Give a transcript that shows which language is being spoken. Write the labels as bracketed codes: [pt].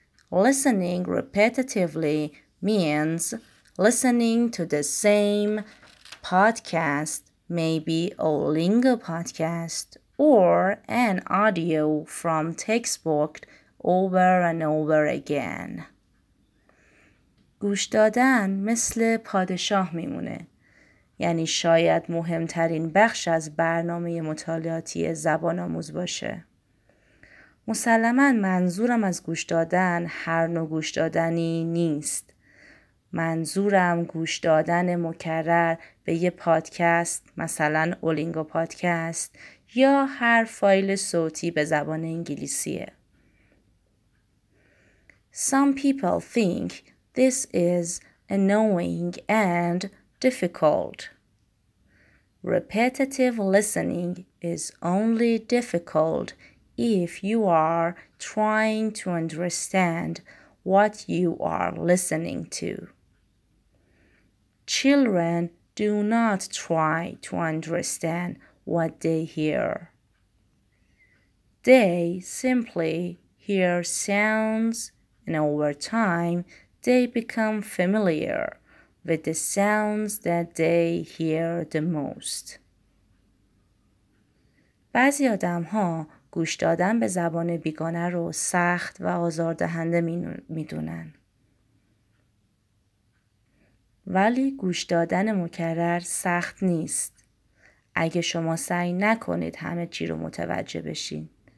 [en] Listening repetitively means listening to the same podcast, maybe Owlingo podcast, or an audio from textbook over and over again. [fa] گوش دادن مثل پادشاه میمونه. یعنی شاید مهمترین بخش از برنامه مطالعاتی زبان آموز باشه. مسلماً منظورم از گوش دادن هر نوع گوش دادنی نیست. منظورم گوش دادن مکرر به یه پادکست، مثلا اولینگو پادکست یا هر فایل صوتی به زبان انگلیسیه. [en] Some people think this is annoying and difficult. Repetitive listening is only difficult if you are trying to understand what you are listening to. Children do not try to understand what they hear. They simply hear sounds, and over time, they become familiar with the sounds that they hear the most. [fa] بعضی آدم ها گوش دادن به زبان بیگانه رو سخت و آزاردهنده میدونن. ولی گوش دادن مکرر سخت نیست. اگه شما سعی نکنید همه چی رو متوجه بشین.